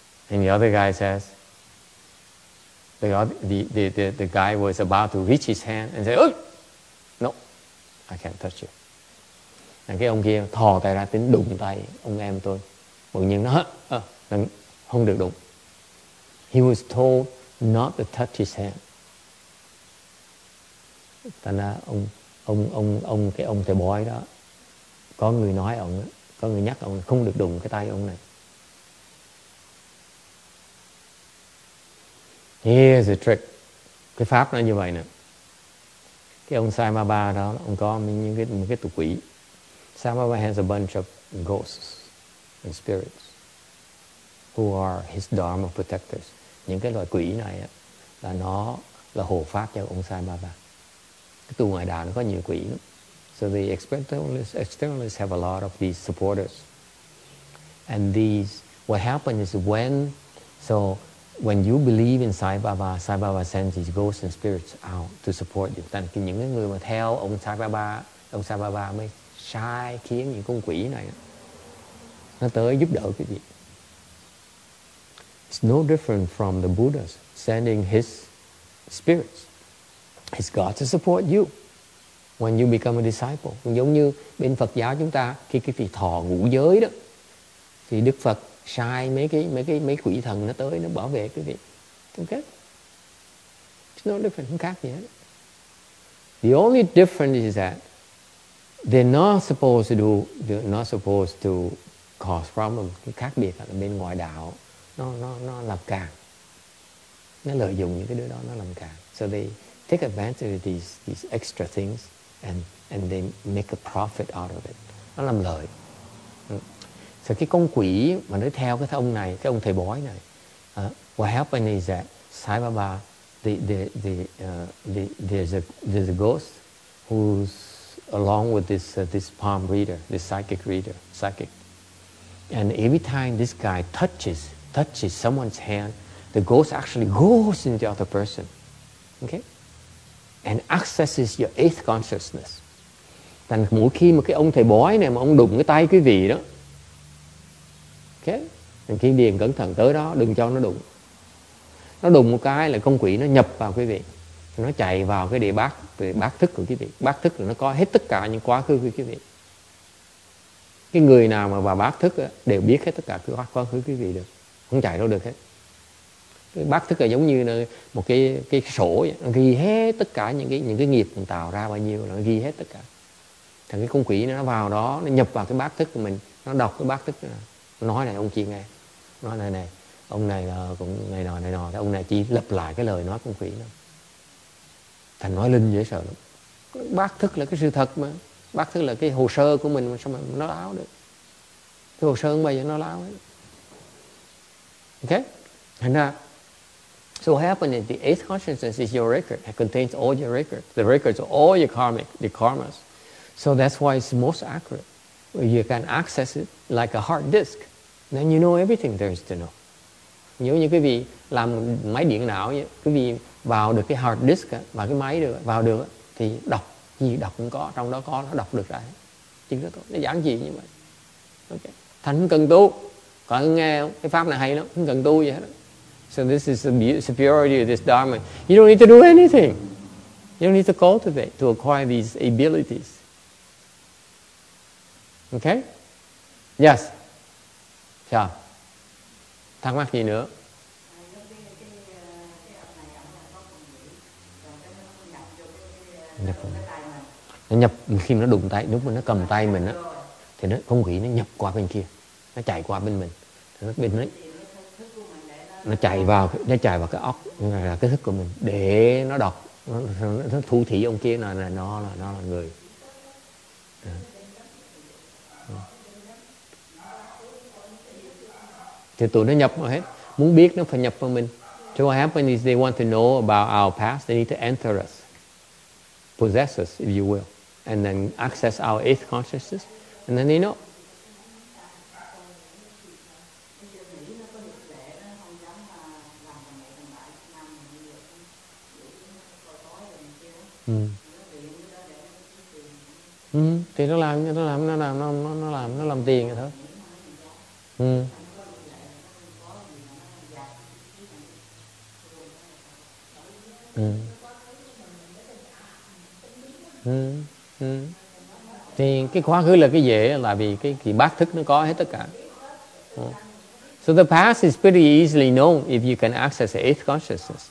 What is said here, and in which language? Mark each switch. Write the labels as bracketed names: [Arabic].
[English] And the other guy says, the guy was about to reach his hand and say, oh, no, I can't touch you. [Vietnamese] And cái ông kia thò tay ra tính đụng tay ông em tôi. Bỗng nhiên nó, không được đụng. [English] He was told not to touch his hand. [Vietnamese] Thành ra ông cái ông thầy bói đó có người nói ông, có người nhắc ông không được đụng cái tay ông này. [English] Here's the trick. [Vietnamese] Cái pháp nó như vậy nè. Cái ông Sai Baba đó, ông có những cái tụ quỷ. [English] Sai Baba has a bunch of ghosts and spirits who are his dharma protectors. [Vietnamese] Những cái loại quỷ này á, là nó là hộ pháp cho ông Sai Baba. Cái tu ngoài đạo nó có nhiều quỷ lắm. [English] So the externalists have a lot of these supporters. And these, what happens is when you believe in Sai Baba, Sai Baba sends his ghosts and spirits out to support you. [Vietnamese] Tại vì những người mà theo ông Sai Baba mới sai khiến những con quỷ này á, nó tới giúp đỡ cái gì. [English] It's no different from the Buddha sending his spirits, his God to support you when you become a disciple. [Vietnamese] Giống như bên Phật giáo chúng ta khi cái vị thọ ngũ giới đó, thì Đức Phật sai mấy quỷ thần nó tới nó bảo vệ cái vị. Okay? [English] It's no different, [Vietnamese] không khác gì hết. [English] The only difference is that they're not supposed to cause problems. [Vietnamese] Cái khác biệt là bên ngoại đạo. Nó làm càng. Nó lợi dụng những cái đứa đó, nó làm càng. [English] So they take advantage of these extra things and they make a profit out of it. [Vietnamese] Nó làm lợi. So cái con quỷ mà nó theo cái ông này, cái ông thầy bói này, [English] what happened is that Sai Baba, there's a ghost who's along with this palm reader, this psychic reader, psychic. And every time this guy touches someone's hand, the ghost actually goes into the other person, okay, and accesses your eighth consciousness. [Vietnamese] Thành mỗi khi mà cái ông thầy bói này mà ông đụng cái tay quý vị đó, okay, thành Kim Điền cẩn thận tới đó, đừng cho nó đụng. Nó đụng một cái là con quỷ nó nhập vào quý vị, nó chạy vào cái địa bát thức của quý vị. Bát thức là nó có hết tất cả những quá khứ của quý vị. Cái người nào mà vào bát thức đều biết hết tất cả cái quá khứ của quý vị được. Không chạy đâu được hết. Cái bát thức là giống như là một cái sổ vậy. Nó ghi hết tất cả những cái nghiệp mình tạo ra bao nhiêu, nó ghi hết tất cả. Thằng cái con quỷ nó vào đó, nó nhập vào cái bát thức của mình, nó đọc cái bát thức này. Nó nói này ông kia nghe, nói này này, ông này là cũng này nọ, thì ông này chỉ lặp lại cái lời nói con quỷ đó. Thành nói linh dễ sợ lắm. Bát thức là cái sự thật mà, bát thức là cái hồ sơ của mình mà sao mà nó láo được? Cái hồ sơ bây giờ nó láo ấy. [English] Okay, and now, so what happened is the eighth consciousness is your record. It contains all your records, the records of all your karmic, the karmas. So that's why it's most accurate. You can access it like a hard disk. Then you know everything there is to know. [Vietnamese] Nếu như quý vị làm máy điện não, quý vị vào được cái hard disk và cái máy được vào được thì đọc gì đọc cũng có trong đó có nó đọc được ra. chỉ có thôi, nó giản dị như vậy. Ok, thành không cần tu, còn nghe cái pháp này hay lắm, không cần tu gì hết. [English] So this is the superiority of this dharma. You don't need to do anything. You don't need to cultivate to acquire these abilities. Okay? Yes. [Vietnamese] Chà. Thắc mắc gì nữa? Nhập. Nó nhập khi nó đụng tay, lúc mà nó cầm tay mình á, thì nó không nghĩ nó nhập qua bên kia, nó chạy qua bên mình, nó bên đấy. Nó chạy vào cái óc là cái thức của mình để nó đọc, nó thu thị ông kia là nó là người. Thì tụi nó nhập vào hết, muốn biết nó phải nhập vào mình. [English] So what happens is they want to know about our past, they need to enter us, possess us, if you will, and then access our eighth consciousness, and then they know. [Vietnamese] Ừ. Ừ. Thì nó làm tiền rồi thôi. Ừ. Ừ. Ừ. Ừ. Thì cái quá khứ là cái dễ là vì cái bát thức nó có hết tất cả. Ừ. [English] So the past is pretty easily known if you can access the eighth consciousness.